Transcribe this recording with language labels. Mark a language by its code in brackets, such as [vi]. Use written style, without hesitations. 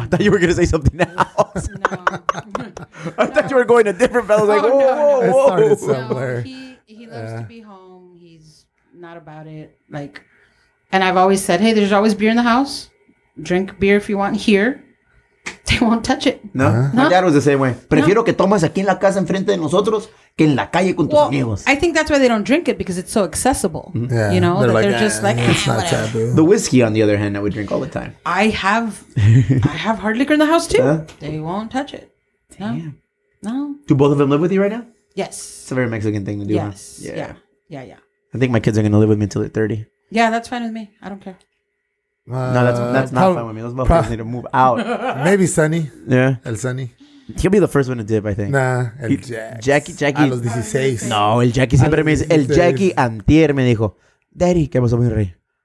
[en] I thought you were going to say something else. No. I thought you were going to different fellas. Like, oh, whoa. It started somewhere. No, he loves to be home. He's not about it. Like, and I've always said, hey, there's always beer in the house. Drink beer if you want here. They won't touch it. No. Uh-huh. My dad was the same way. [es] Prefiero que tomes aquí en la casa enfrente de nosotros que en la calle con tus amigos. [en] I think that's why they don't drink it, because it's so accessible. Yeah. You know, they're, like, they're just like, it's not taboo. The whiskey, on the other hand, I would drink all the time. I have hard liquor in the house too. They won't touch it. No. Do both of them live with you right now? Yes. It's a very Mexican thing to do. Yes. Huh? Yeah. I think my kids are going to live with me until they're 30. Yeah, that's fine with me. I don't care. No, that's not fine with me. Those motherfuckers need to move out. Maybe Sunny. Yeah. [es] El Sunny. [en] He'll be the first one to dip, I think. Nah, Jackie. [es] A los 16. No, el Jackie siempre me dice, el Jackie antier me dijo, Daddy, que vamos a morir.